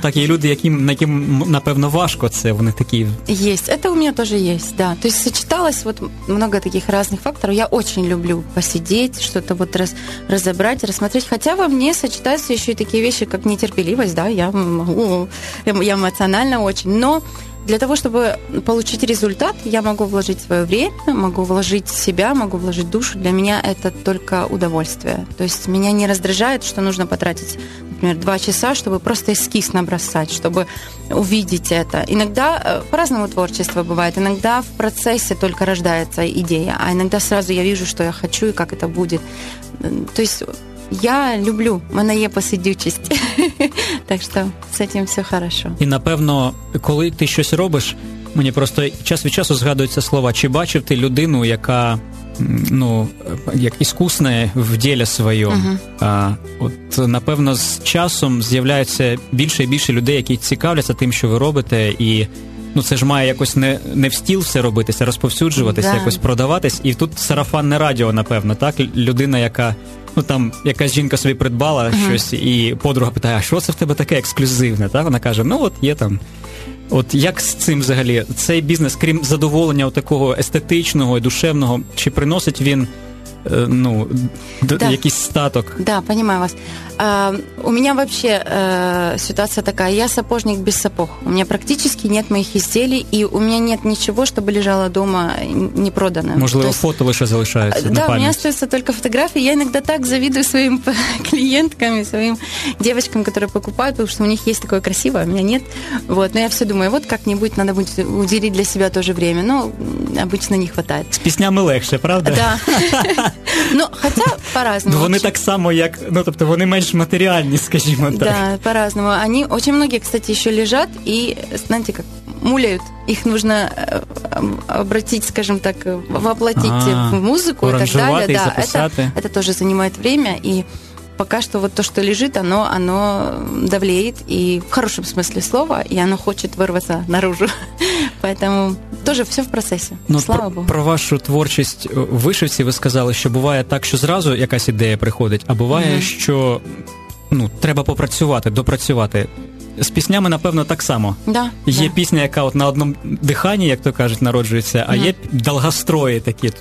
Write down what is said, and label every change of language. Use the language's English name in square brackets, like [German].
[Ukrainian] Так, є люди, на яким, напевно, важко це, вони такі... Є, це у мене теж є, да. Тобто, [Russian] сочеталось вот много таких [Ukrainian] різних факторів. Я дуже люблю посидіти, щось вот розібрати, розсмотрити. Хоча во мені сочетаються ще й такі речі, як нетерпеливість, да, я можу, я емоціонально дуже, но... [Russian] Для того, чтобы получить результат, я могу вложить свое время, могу вложить себя, могу вложить душу. Для меня это только удовольствие. То есть меня не раздражает, что нужно потратить, например, 2 часа, чтобы просто эскиз набросать, чтобы увидеть это. Иногда по-разному творчество бывает. Иногда в процессе только рождается идея, а иногда сразу я вижу, что я хочу и как это будет. То есть... [Ukrainian] Я люблю, мене є посидючість. Так що з цим все хорошо. І напевно, коли ти щось робиш, мені просто час від часу згадуються слова, чи бачив ти людину, яка, ну, як іскусна в ділі своєму. Uh-huh. От напевно, з часом з'являється більше і більше людей, які цікавляться тим, що ви робите, і, ну, це ж має якось не в стіл все робитися, розповсюджуватися, да, якось продаватись. І тут сарафанне радіо, напевно, так? Людина, яка, ну, там якась жінка собі придбала щось, і подруга питає, а що це в тебе таке ексклюзивне? Так? Вона каже, ну, от є там. От як з цим взагалі? Цей бізнес, крім задоволення такого естетичного і душевного, чи приносить він, ну, да, якийсь статок? [Russian] Да, понимаю вас. У меня вообще ситуация такая. Я сапожник без сапог. У меня практически нет моих изделий, и у меня нет ничего, чтобы лежало дома непроданное. [Ukrainian] Можливо, фото лише залишаются на [Russian] память. Да, у меня остаются только фотографии. Я иногда так завидую своим клиенткам, своим девочкам, которые покупают, потому что у них есть такое красивое, а у меня нет. Вот. Но я все думаю, вот как-нибудь надо будет уделить для себя тоже время. Но обычно не хватает. С песнями легче, правда? Да. Ну, хотя по-разному. [Ukrainian] Вони так само, як, ну, тобто вони менш матеріальні, скажімо так. [Russian] Да, по-разному. [Ukrainian] Вони дуже багато, [Russian] кстати, [Ukrainian] ще лежать і, знаєте, як муляють. [Russian] Їх нужно обратить, скажем так, воплотить [Ukrainian] в музику і так далі, [Russian] да. Это тоже занимает время, и пока что вот то, что лежит, оно давлеет, и в хорошем смысле слова, и оно хочет вырваться наружу. Поэтому тоже все в процессе. Ну, слава Богу. [Ukrainian] Про вашу творчість в вишивці ви сказали, що буває так, що зразу якась ідея приходить, а буває, що, ну, треба попрацювати, допрацювати. з піснями, напевно, так само. Да, є да. пісня, яка от на одному диханні, як то кажуть, народжується, а є довгострої такі.